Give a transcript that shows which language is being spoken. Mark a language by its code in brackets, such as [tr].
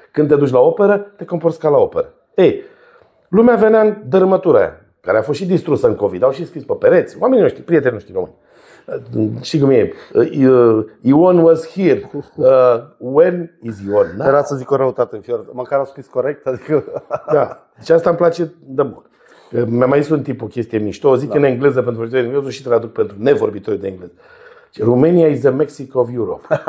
[ro] Când te duci la operă, te comporți ca la operă. Ei, lumea venea în dărâmătura aia, care a fost și distrusă în COVID. Au și scris pe pereți, oamenii noștri, prieteni noștri români. Știi cum e, [en] Ion was here, when is Ion now? [ro] Era să zic o răutate în fior, măcar a scris corect, adică... Da, deci asta îmi place de mult. Mi-a mai zis un tip o chestie mișto, o zic în engleză pentru vorbitorii engleză și traduc pentru nevorbitorii de engleză. [en] Romania is the Mexico of Europe.